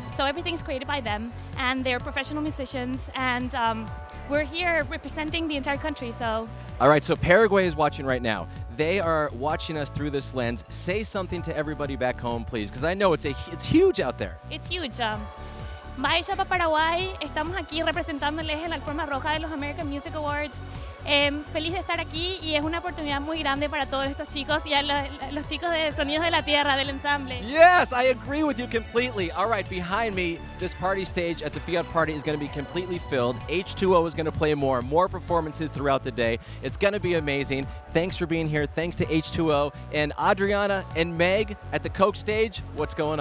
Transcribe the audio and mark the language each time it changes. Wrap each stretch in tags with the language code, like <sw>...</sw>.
<en>So everything's created by them, and they're professional musicians, and we're here representing the entire country, so. All right, so Paraguay is watching right now. They are watching us through this lens. Say something to everybody back home, please, because I know it's huge out there. It's huge.</en> <es>Maisha para Paraguay, estamos aquí representándoles en la alfombra roja de los American Music Awards. Feliz de estar aquí y es una oportunidad muy grande para todos estos chicos y a los chicos de Sonidos de la Tierra, del ensamble.</es> <en>Yes, I agree with you completely. All right, behind me, this party stage at the Fiat Party is going to be completely filled. H2O is going to play more performances throughout the day. It's going to be amazing. Thanks for being here. Thanks to H2O. And Adriana and Meg at the Coke stage, what's going on?</en>